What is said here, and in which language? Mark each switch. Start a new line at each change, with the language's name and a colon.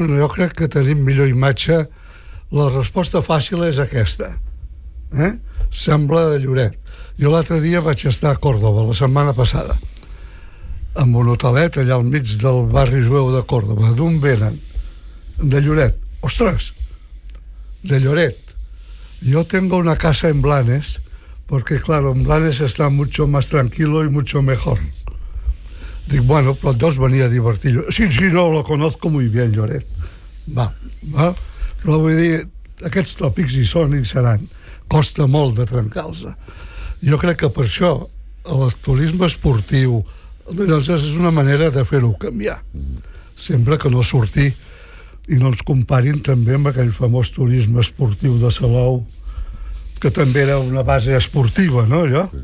Catalan: Jo crec que tenim millor imatge. La resposta fàcil és aquesta, eh? Sembla de Lloret. Jo l'altre dia vaig estar a Còrdoba, la setmana passada, amb un hotelet allà al mig del barri jueu de Còrdoba. D'on venen? De Lloret. Ostres! de Lloret.
Spanish: Yo tengo una casa en Blanes, porque claro, en Blanes está mucho más tranquilo y mucho mejor. Digo, bueno, pero dos venía a divertir. Sí, sí, no, lo conozco muy bien, Lloret.
Catalan: Va, va. Però vull dir, aquests tòpics hi són i seran. Costa molt de trencar-los. Jo crec que per això l'actualisme esportiu és una manera de fer-ho canviar. Sempre que no surti i no ens comparin també amb aquell famós turisme esportiu de Salou, que també era una base esportiva, no, allò?